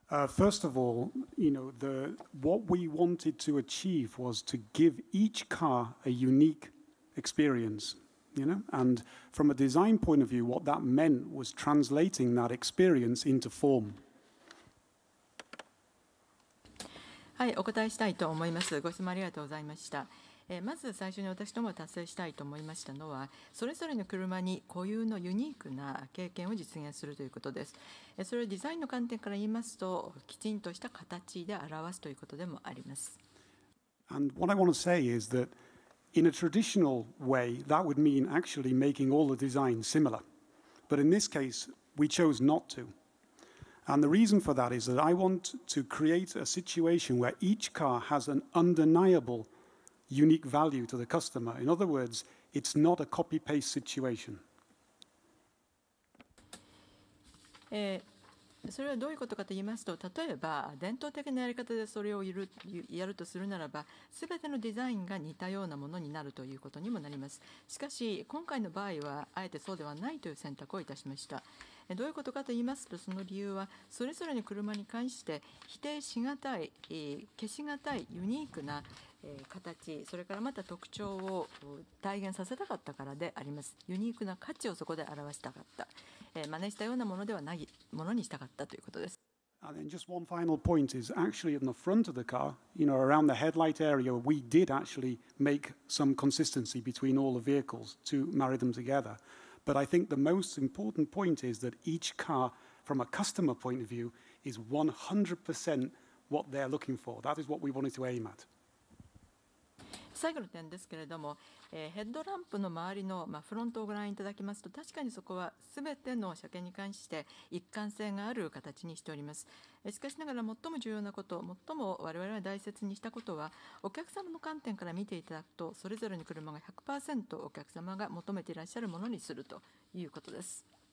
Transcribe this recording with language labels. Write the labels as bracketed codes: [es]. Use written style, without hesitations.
[en] First of all, you know, what we wanted to achieve was to give each car a unique experience, you know, and from a design point of view, what that meant was translating that experience into form. [ja] はい、お答えしたいと思います。ご質問ありがとうございました。まず最初に私どもが達成したいと思いましたのは、それぞれの車に固有のユニークな経験を実現するということです。それをデザインの観点から言いますと、きちんとした形で表すということでもあります。 [en] And what I want to say is that in a traditional way, that would mean actually making all the designs similar. But in this case, we chose not to. And the reason for that is that I want to create a situation where each car has an undeniable unique value to the customer. In other words, it's not a copy-paste situation. [ja] それはどういうことかと言いますと、例えば伝統的なやり方でそれをやるとするならば、すべてのデザインが似たようなものになるということにもなります。しかし、今回の場合はあえてそうではないという選択をいたしました。どういうことかと言いますと、その理由はそれぞれの車に関して否定しがたい、消しがたいユニークな形、それからまた特徴を体現させたかったからであります。ユニークな価値をそこで表したかった。真似したようなものではないものにしたかったということです。 [en] And then just one final point is actually in the front of the car, you know, around the headlight area, we did actually make some consistency between all the vehicles to marry them together. But I think the most important point is that each car, from a customer point of view, is 100% what they're looking for. That is what we wanted to aim at. [ja] 最後の点ですけれども、ヘッドランプの周りの、まあ、フロントをご覧いただきますと、確かにそこはすべての車検に関して一貫性がある形にしております。しかしながら最も重要なこと、最も我々は大切にしたことは、お客様の観点から見ていただくと、それぞれの車が 100% お客様が求めていらっしゃるものにするということです。